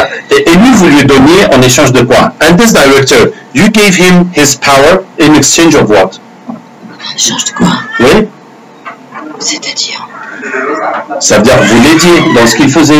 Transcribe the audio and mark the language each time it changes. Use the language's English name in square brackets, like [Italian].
[French] Et nous, vous lui donniez en échange de quoi? [English] And this director, you gave him his power in exchange of what? [French] En échange de quoi? Oui. C'est-à-dire? Ça veut dire, vous l'aidiez dans ce qu'il faisait.